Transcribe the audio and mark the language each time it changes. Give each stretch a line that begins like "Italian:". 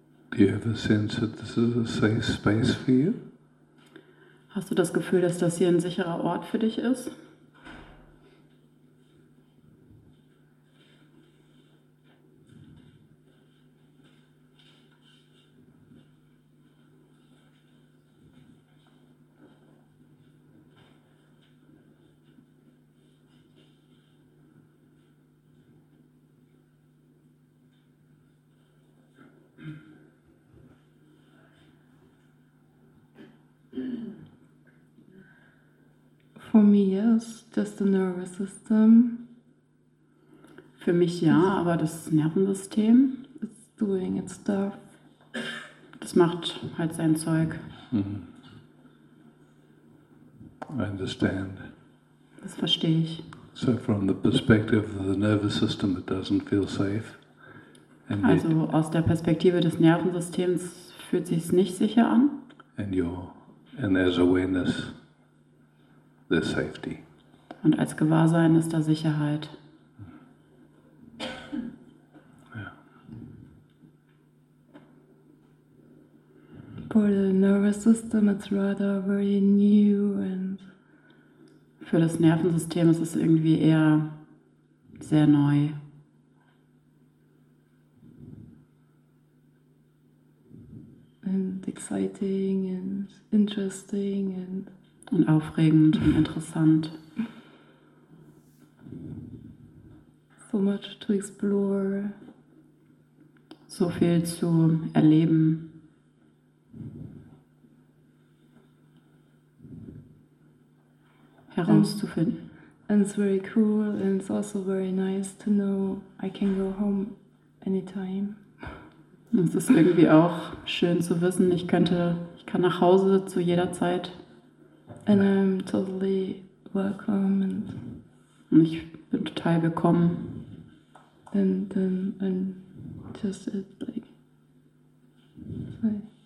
English: Do you have a sense that this is a safe space for you?
German: Hast du das Gefühl, dass das hier ein sicherer Ort für dich ist?
English: For me, yes, just the nervous system.
German: Für mich ja, aber das Nervensystem,
English: it's doing its stuff.
German: Das macht halt sein Zeug.
English: I understand.
German: Das verstehe ich.
English: So from the perspective of the nervous system, it doesn't feel safe.
German: And also aus der Perspektive des Nervensystems fühlt sich's nicht sicher an.
English: And there's awareness. The safety.
German: Und als Gewahrsein ist da Sicherheit.
English: Yeah. For the nervous system, it's rather very new and.
German: Für das Nervensystem ist es irgendwie eher sehr neu.
English: And exciting and interesting and.
German: Und aufregend und interessant.
English: So much to explore.
German: So viel zu erleben. Herauszufinden.
English: And it's very cool and it's also very nice to know I can go home anytime.
German: Es ist irgendwie auch schön zu wissen, ich kann nach Hause zu jeder Zeit
English: and I'm totally welcome
German: und ich bin total willkommen.
English: And then I'm just like sorry.